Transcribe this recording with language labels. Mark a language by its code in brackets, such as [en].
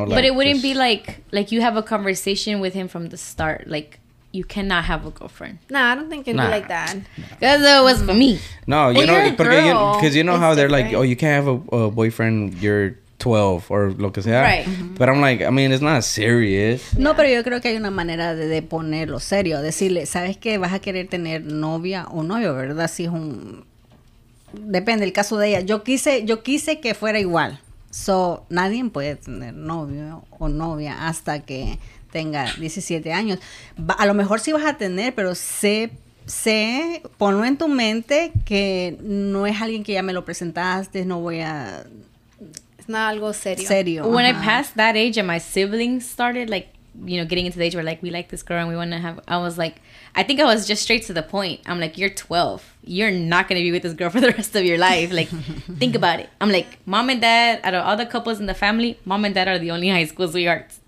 [en] Like, but it wouldn't be like you have a conversation with him from the start, like... you cannot have a girlfriend. Nah, I don't think it'd be like that. Because it was for me. No, you know, because you know how they're like, oh, you can't have a boyfriend, you're 12 or [es] lo que sea. [en] Right. But I'm like, I mean, it's not serious. [es] No, pero yo creo que hay una manera de ponerlo serio. Decirle, ¿sabes qué? Vas a querer tener novia o novio, ¿verdad? Si es un... depende, el caso de ella. Yo quise que fuera igual. [en] So, [es] nadie puede tener novio o novia hasta que... tenga 17 años. A lo mejor sí vas a tener, pero sé, ponlo en tu mente que no es alguien que ya me lo presentaste, no voy a... Es nada algo serio. Serio. [en] When I passed that age and my siblings started, like, you know, getting into the age where, like, we like this girl and we want to have... I was like, I think I was just straight to the point. I'm like, you're 12. You're not going to be with this girl for the rest of your life. Like, think about it. I'm like, mom and dad, out of all the couples in the family, mom and dad are the only high school sweethearts.